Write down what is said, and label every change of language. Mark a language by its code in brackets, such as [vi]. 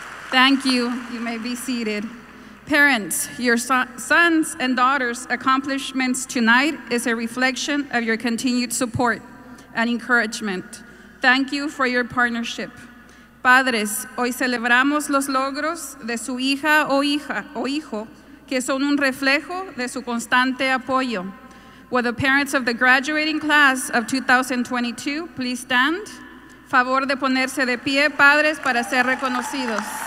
[en] Thank you, you may be seated. Parents, your sons and daughters' accomplishments tonight is a reflection of your continued support and encouragement. Thank you for your partnership. [es] Padres, hoy celebramos los logros de su hija o hija o hijo, que son un reflejo de su constante apoyo. [en] Will the parents of the graduating class of 2022 please stand? [es] Favor de ponerse de pie, padres, para ser reconocidos.